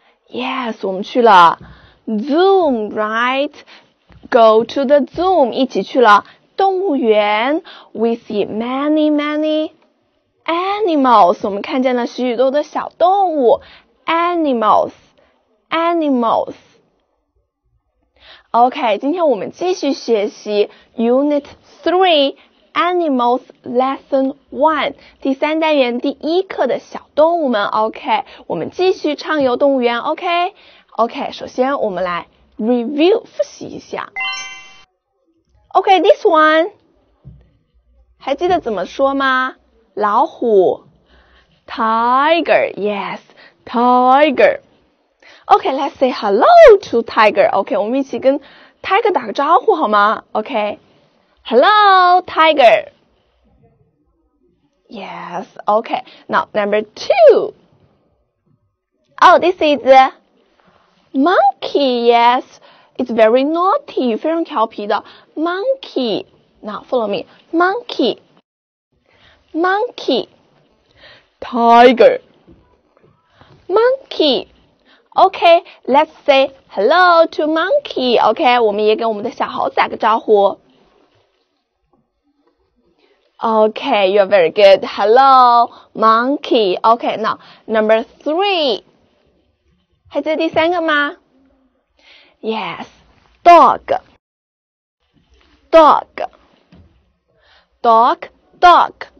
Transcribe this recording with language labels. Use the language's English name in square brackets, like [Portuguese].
[Chinese] Yes, 我们去了 Zoom, right? [English] Go to the Zoom. [Chinese] 一起去了动物园。 [English] We see many, manyAnimals, [Chinese] 我们看见了许许多的小动物。 [English] Animals, animals. [Chinese] OK, 今天我们继续学习 [English] Unit 3, Animals Lesson 1, [Chinese] 第三单元第一课的小动物们。 OK, 我们继续畅游动物园。OK, OK, 首先我们来 [English] review, [Chinese] 复习一下。 [English] OK, this one, [Chinese] 还记得怎么说吗？老虎 [English] Tiger, yes, Tiger. OK, let's say hello to Tiger. [Chinese] OK, 我们一起跟 Tiger 打个招呼好吗？ [English] OK, hello Tiger. Yes, OK. Now, number two. Oh, this is monkey, yes. It's very naughty, [Chinese] 非常调皮的 [English] monkey. Now, follow me, monkeyMonkey, tiger, monkey. OK, let's say hello to monkey. [Chinese] OK, 我们也跟我们的小猴子打个招呼。 [English] OK, you're very good. Hello, monkey. OK, now, number three. [Chinese] 还记得第三个吗？ [English] Yes, dog, dog, dog, dog.